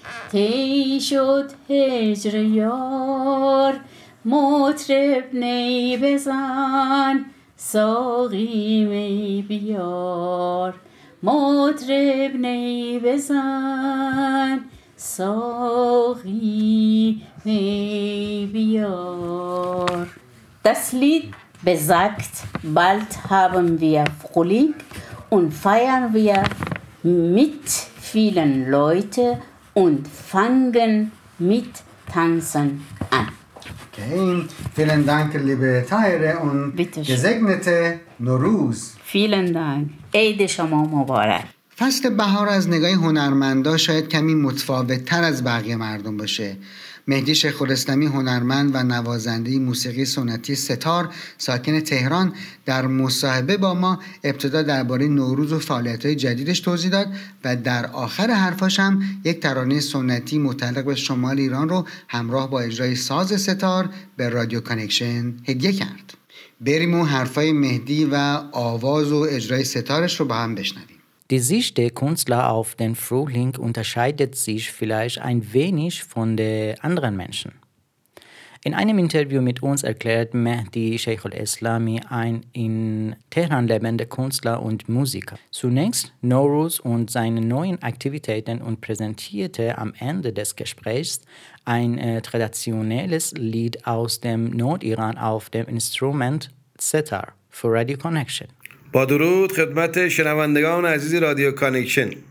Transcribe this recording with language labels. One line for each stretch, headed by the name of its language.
Persian: تی شد هجر یار مطرب نی بزن ساقی می بیار مطرب نی بزن ساقی می بیار
German: Das Lied besagt, bald haben wir Frühling und feiern wir mit vielen Leuten und fangen mit Tanzen an. Okay, vielen Dank, liebe Tahere und gesegnete Nowruz. Vielen Dank.
Persian: Eid Shoma Mubarak. فصل بهار از نگاه هنرمندا شاید کمی متفاوت تر از بقیه مردم باشه. مهدی شیخ الاسلامی هنرمند و نوازنده موسیقی سنتی ستار ساکن تهران در مصاحبه با ما ابتدا درباره نوروز و فعالیت‌های جدیدش توضیح داد و در آخر حرفاش هم یک ترانه سنتی متعلق به شمال ایران رو همراه با اجرای ساز ستار به رادیو کانکشن هدیه کرد. بریم اون حرفای مهدی و آواز و اجرای ستارش رو با هم بشنویم.
German: Die Sicht der Künstler auf den Frühling unterscheidet sich vielleicht ein wenig von den anderen Menschen. In einem Interview mit uns erklärt Mehdi Sheikh al-Islami, ein in Teheran lebender Künstler und Musiker, zunächst Nowruz und seine neuen Aktivitäten und präsentierte am Ende des Gesprächs ein traditionelles Lied aus dem Nordiran auf dem Instrument Setar.
English: for Radio Connection.
Persian: با درود خدمت شنوندگان عزیز رادیو کانکشن.